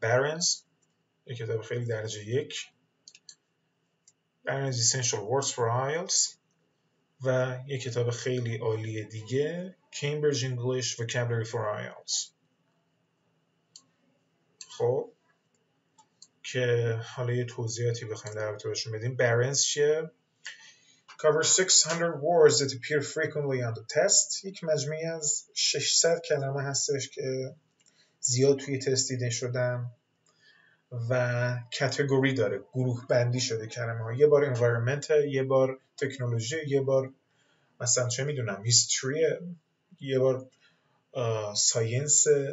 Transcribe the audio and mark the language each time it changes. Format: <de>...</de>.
<fa>Barons، یک کتاب خیلی درجه یک، Barons Essential Words for IELTS، و یک کتاب خیلی عالی دیگه، Cambridge English Vocabulary for IELTS. خب که حالا یه توضیحاتی بخواییم در رابطه باشون بدیم.</fa> <en>Barons</en> <fa>چیه؟</fa> <en>Cover 600 words that appear frequently on the test.</en> <fa>یک مجموعی از 600 کلمه هستش که زیاد توی تست دیده شدن و کاتگوری داره، گروه بندی شده کلمه ها. یه بار انوایرمنت، یه بار تکنولوژی، یه بار مثلا چه میدونم هیستوری، یه بار ساینس.</fa>